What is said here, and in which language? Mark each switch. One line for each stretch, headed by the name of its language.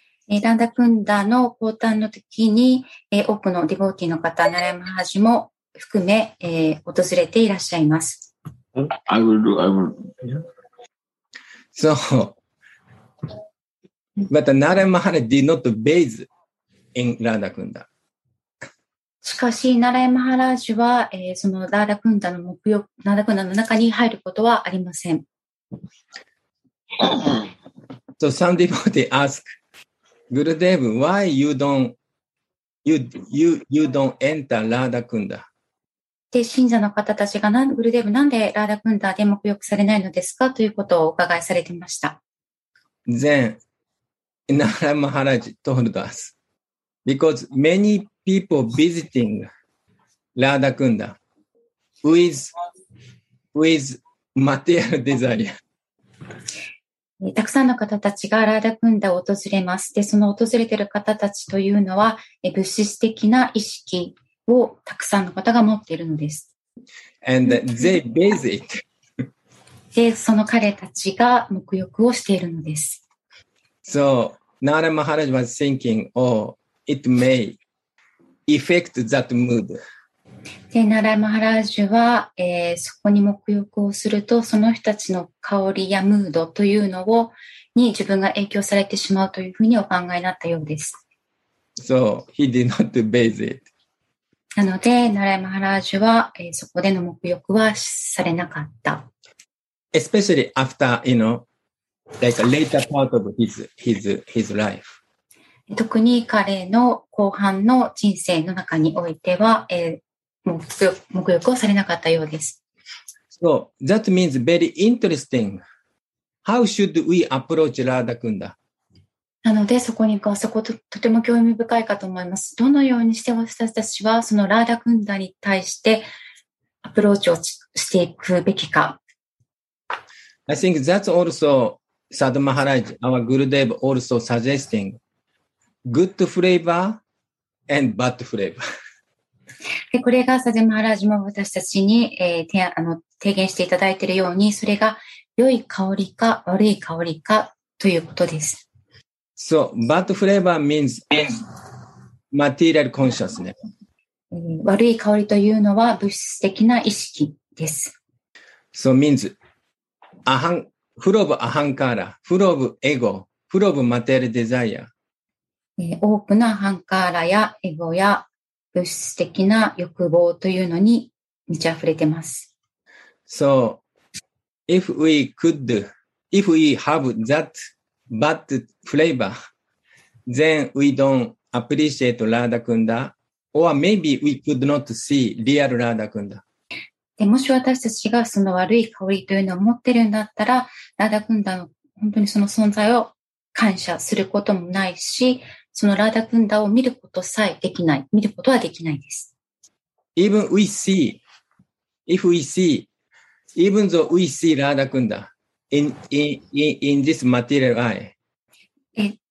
Japanese: Radha Kunda の降誕の時に多くのディボーティーの方、ナラマハジも含め訪れていらっしゃいます。
English: I will. Yeah. So, but Nara Maharaj did not bathe in Radha Kunda.
Japanese: しかし、ナラヤマハラジは、そのラダクンダの沐浴、ラダクンダの中に入ることはありません。
English: So some devotee ask, Gurudev, why you don't enter Radha Kunda?
Japanese: で信者の方たちがグルデブなんでラーダクンダで沐浴されないのですかということをお伺いされていました。
English: Then, Nara Maharaj told us, because many people visiting Radha Kunda with material desire.
Japanese: たくさんの方たちがラーダクンダを訪れます。で、その訪れている方たちというのは物質的な意識、をたくさんの方が持っているのです。
English: And they bathe it.
Japanese: で、その彼たちが沐浴をしているのです。
English: So, Nara Maharaj was thinking, oh, it may affect that mood.
Japanese: で、Nara Maharaj は、そこに沐浴をすると、その人たちの香りやムードというのをに自分が影響されてしまうというふうにお考えになったようです。
English: So, he did not bathe it.
Japanese: なので、ナラヤ・マハラージュは、そこでの沐浴はされなかった。
English: Especially after, you know, like a later part of his life.
Japanese: 特に彼の後半の人生の中においては、沐浴をされなかったようです。
English: So, that means very interesting. How should we approach Radha Kunda?
Japanese: なので、そこに行こう。そこととても興味深いかと思います。どのようにして私たちは、そのラーダクンダに対してアプローチをしていくべきか。
English: I think that's also Sadhu Maharaj, our Gurudev also suggesting good flavor and bad flavor.
Japanese: で、これがSadhu Maharajも私たちに、提言していただいているように、それが良い香りか悪い香りかということです。
English: So, bad flavor means material consciousness.
Japanese: 悪い香りというのは物質的な意識です。
English: So means full of ahankara, full of ego, full of material desire.
Japanese: 多くのアハンカーラやエゴや物質的な欲望というのに満ち溢れてます。
English: So, if we have that bad flavor, then we don't appreciate Radha Kunda, or maybe we could not see real Radha Kunda.
Japanese: もし私たちがその悪い香りというのを持ってるんだったら、Radha Kunda の本当にその存在を感謝することもないし、そのラーダクンダを見ることさえできない、見ることはできないです。
English: Even we see, if we see, even though we see ラーダクンダ in this material eye.